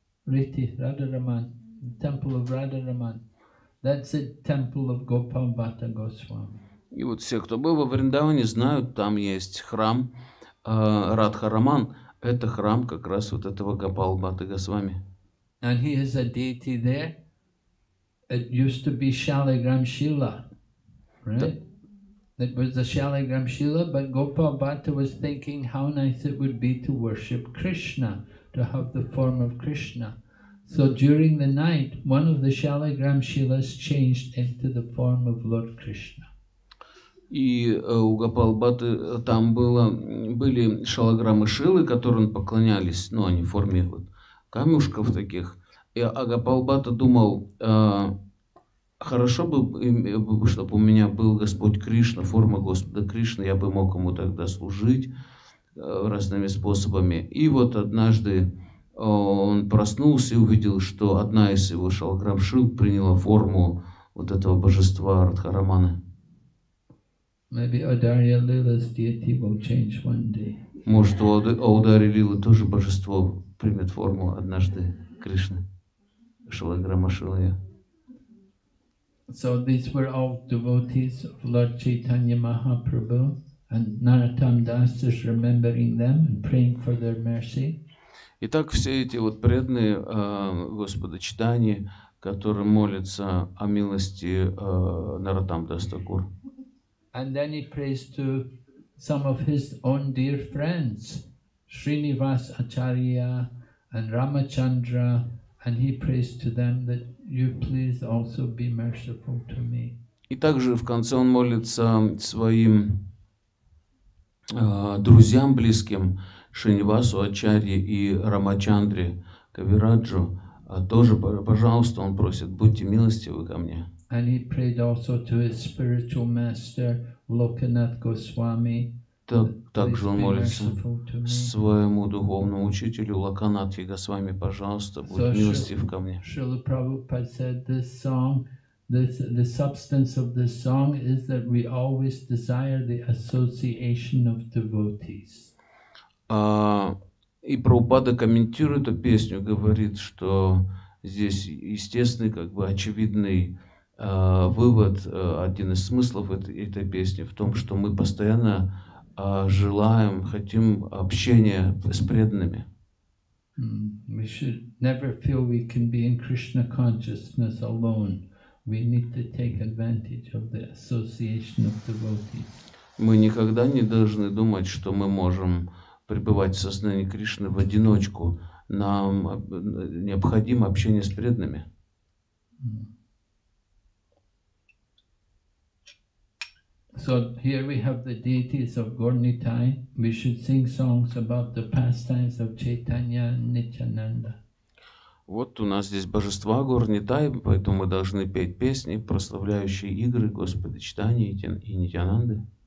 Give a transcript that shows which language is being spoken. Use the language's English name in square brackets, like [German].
[English] Riti, Radha Raman, the temple of Radha Raman. That's the temple of Gopal Bhatta Goswami. [Russian] И вот все, кто был во Вриндаване, знают, там есть храм Радха Раман. Это храм как раз вот этого Гопал Бхатта Госвами. [English] And he is a deity there. It used to be Shaligram Shila, right? It was the Shaligram Shila, but Gopal Bhatta was thinking how nice it would be to worship Krishna, to have the form of Krishna. So during the night, one of the Shaligram Shilas changed into the form of Lord Krishna. [Russian] И у Гопал Бхатты там были Шалаграммы Шилы, которым поклонялись, ну, они в форме вот камушков таких. А Гопал Бхатта думал, хорошо бы, чтобы у меня был Господь Кришна, форма Господа Кришны, я бы мог ему тогда служить разными способами. И вот однажды он проснулся и увидел, что одна из его шалограмм шил приняла форму вот этого божества Радха Рамана. [English] Maybe Audarya Lila's deity will change one day. [Russian] Может, у Audarya Lila тоже божество примет форму однажды Кришны, шалограмма шил ее. [English] So these were all devotees of Lord Chaitanya Mahaprabhu. And Narottam Das is remembering them and praying for their mercy. [Russian] Итак, все эти вот преданные Господа Чайтаньи, которые молятся о милости Narottam Das Thakur. [English] And then he prays to some of his own dear friends, Srinivas Acharya and Ramachandra, and he prays to them that you please also be merciful to me. [Russian] И также в конце он молится своим друзьям близким, Шринивасу Ачарье и Рамачандре Кавираджу, тоже, пожалуйста, он просит, будьте милостивы ко мне. [English] And he prayed also to his spiritual master, Lokanath Goswami. [Russian] Также он молится своему духовному учителю, Локанатхе Госвами, пожалуйста, будь милостив ко мне. [English] Шрила Прабхупада said this song, the substance of this song is that we always desire the association of devotees. [Russian] И Прабхупада комментирует эту песню, говорит, что здесь естественный, как бы очевидный вывод, один из смыслов этой песни в том, что мы постоянно желаем, хотим общения с преданными. [English] We should never feel we can be in Krishna consciousness alone. We need to take advantage of the association of devotees. [Russian] Мы никогда не должны думать, что мы можем пребывать в сознании Кришны в одиночку. Нам необходимо общение с преданными. [English] So here we have the deities of Gornitai. We should sing songs about the pastimes of Chaitanya and Nityananda. [Russian] Вот у нас здесь божества Гор-Нитай, поэтому мы должны петь песни, прославляющие игры Господа Чайтаньи и Нитьянанды.